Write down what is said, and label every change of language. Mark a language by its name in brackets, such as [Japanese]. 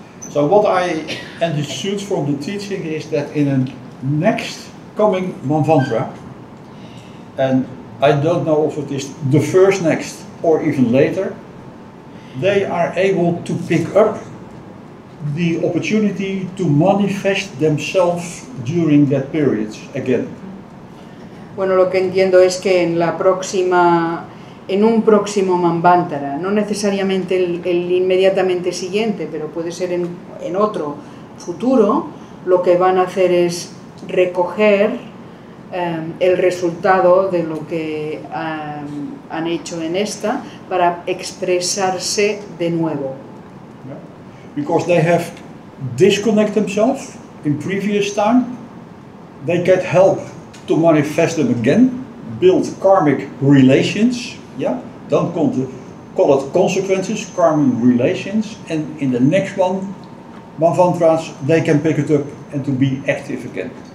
[English] So what I understood from the teaching is that in a next coming Manvantara, and I don't know if it is the first next or even later, they are able to pick up the opportunity to manifest themselves during that period again. [Spanish] Bueno, lo que entiendo es que en la próxima, en un próximo Manvantara, no necesariamente el inmediatamente siguiente, pero puede ser en otro futuro, lo que van a hacer es recoger el resultado de lo que han hecho en esta para expresarse de nuevo. [English] Because they have disconnected themselves in previous time, they get help to manifest them again, build karmic relations, yeah, don't call it consequences, karmic relations, and in the next one, Manvantaras, they can pick it up and to be active again.